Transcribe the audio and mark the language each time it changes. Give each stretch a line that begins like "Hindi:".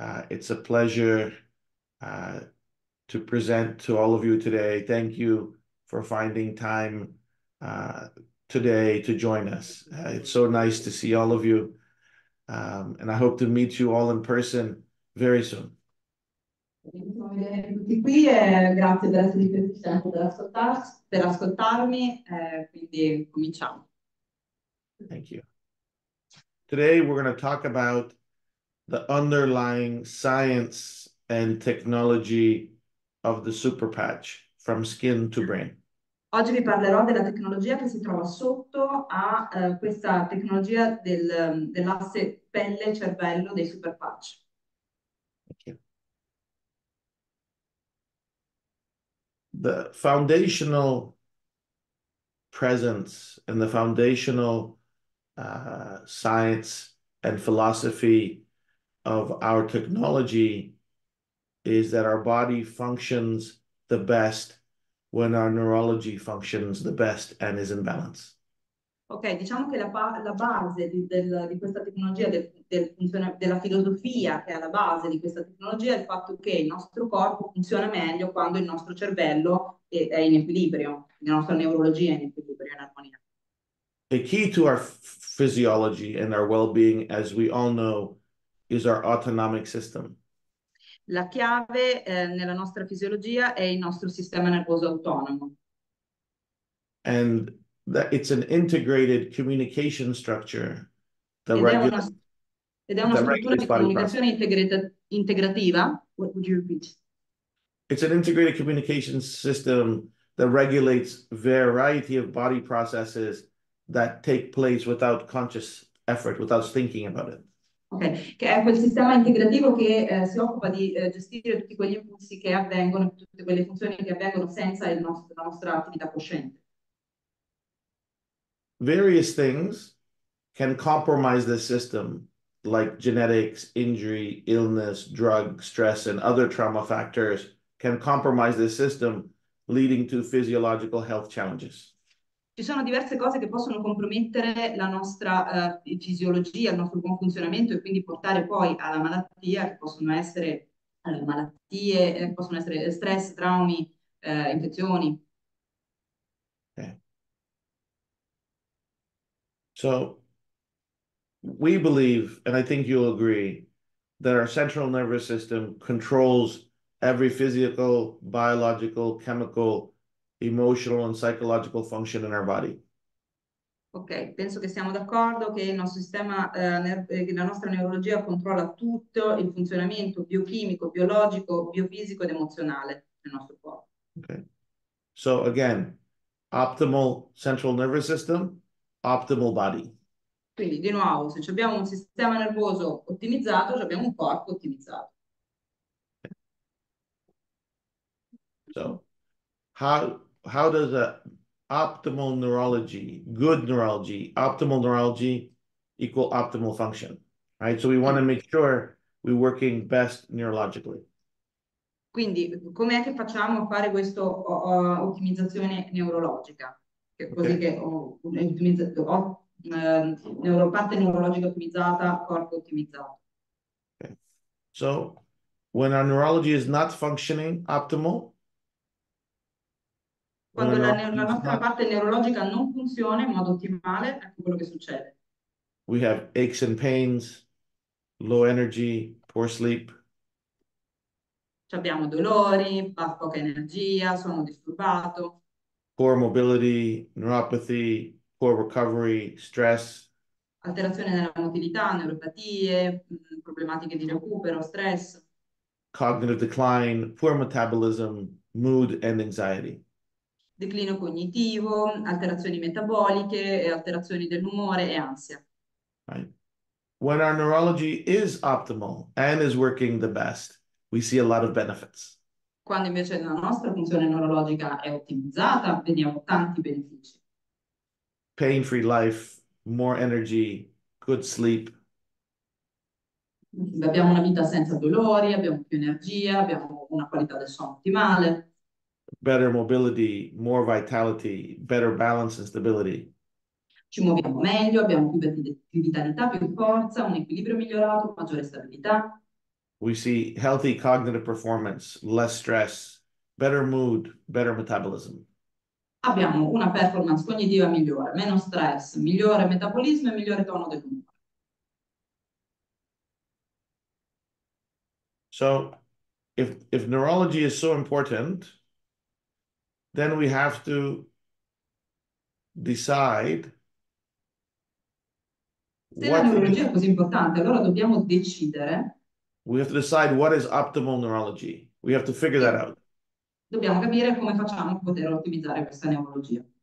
English: It's a pleasure to present to all of you today. Thank you for finding time today to join us. It's so nice to see all of you. And I hope to meet you all in person very soon.
Italian: Tutti qui e grazie per essere stato per ascoltarmi, quindi cominciamo.
English: Thank you. Today we're going to talk about the underlying science and technology of the super patch from skin to brain.
Italian: Oggi vi parlerò della tecnologia che si trova sotto a questa tecnologia dell'asse pelle-cervello dei super patch.
English: The foundational presence and the foundational science and philosophy of our technology is that our body functions the best when our neurology functions the best and is in balance.
Italian: Ok, diciamo che la base di questa tecnologia, della filosofia che è alla base di questa tecnologia è il fatto che il nostro corpo funziona meglio quando il nostro cervello è in equilibrio, la nostra neurologia è in equilibrio, in armonia.
English: The key to our physiology and our well-being, as we all know, is our autonomic system.
Italian: La chiave, nella nostra fisiologia è il nostro sistema nervoso autonomo.
English: And that it's an integrated communication structure
Italian: Ed è una struttura
English: that regulates body process.
Italian: comunicazione integrativa.
English: What would you repeat? It's an integrated communication system that regulates variety of body processes that take place without conscious effort, without thinking about it.
Italian: Ok, che è quel sistema integrativo che si occupa di gestire tutti quegli impulsi che avvengono, tutte quelle funzioni che avvengono senza la nostra attività cosciente.
English: Various things can compromise the system, like genetics, injury, illness, drug, stress, and other trauma factors can compromise the system, leading to physiological health challenges.
Italian: Ci sono diverse cose che possono compromettere la nostra fisiologia, il nostro buon funzionamento e quindi portare poi alla malattia, che possono essere malattie, possono essere stress, traumi, infezioni.
English: So we believe, and I think you'll agree, that our central nervous system controls every physical, biological, chemical, emotional, and psychological function in our body.
Italian: Ok, penso che siamo d'accordo che il nostro sistema, la nostra neurologia controlla tutto il funzionamento biochimico, biologico, biofisico ed emozionale del nostro corpo.
English: So again, optimal central nervous system, optimal body.
Italian: Quindi, di nuovo, se abbiamo un sistema nervoso ottimizzato, abbiamo un corpo ottimizzato.
English: So, how does optimal neurology, good neurology, optimal neurology equal optimal function? Right? So we want to make sure we're working best neurologically.
Italian: Quindi, com'è che facciamo a fare questa ottimizzazione neurologica? Che così che ho neuropatia neurologica ottimizzata, corpo ottimizzato.
English: So, when our neurology is not functioning optimal,
Italian: Quando
English: when our neurology is
Italian: nostra
English: not,
Italian: parte neurologica non funziona in modo ottimale, ecco quello che succede.
English: we have aches and pains, low energy, poor sleep.
Italian: Ci abbiamo dolori, poca energia, sono disturbato.
English: Poor mobility, neuropathy, poor recovery, stress.
Italian: Alterazione della motilità, neuropatie, problematiche di recupero, stress.
English: Cognitive decline, poor metabolism, mood and anxiety.
Italian: Declino cognitivo, alterazioni metaboliche, alterazioni dell'umore e ansia.
English: Right. When our neurology is optimal and is working the best, we see a lot of benefits.
Italian: Quando invece la nostra funzione neurologica è ottimizzata, vediamo tanti benefici.
English: Pain-free life, more energy, good sleep.
Italian: Abbiamo una vita senza dolori, abbiamo più energia, abbiamo una qualità del sonno ottimale.
English: Better mobility, more vitality, better balance and stability.
Italian: Ci muoviamo meglio, abbiamo più vitalità, più forza, un equilibrio migliorato, maggiore stabilità.
English: We see healthy cognitive performance, less stress, better mood, better metabolism.
Italian: Abbiamo una performance cognitiva migliore, meno stress, migliore metabolismo e migliore tono dell'umore.
English: So, if neurology is so important, then we have to decide
Italian: se la neurologia è così importante, allora dobbiamo decidere.
English: We have to decide what is optimal neurology. We have to figure that out.
Italian: Dobbiamo capire come facciamo a poter ottimizzare questa neurologia.